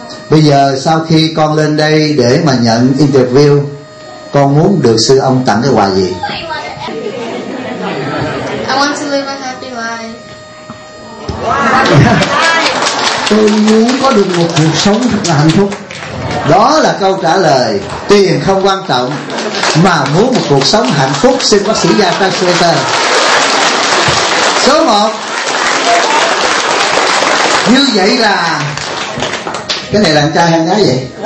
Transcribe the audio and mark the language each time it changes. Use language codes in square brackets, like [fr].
[vi] Bây giờ sau khi con lên đây để mà nhận interview, con muốn được sư ông tặng cái quà gì? [en] I want to live a happy life. Wow. [vi] Tôi muốn có được một cuộc sống thật là hạnh phúc. Đó là câu trả lời. Tiền không quan trọng, mà muốn một cuộc sống hạnh phúc, xin bác sĩ Gia Trang Center. Số 1. Như vậy là cái này là con trai hay con gái vậy?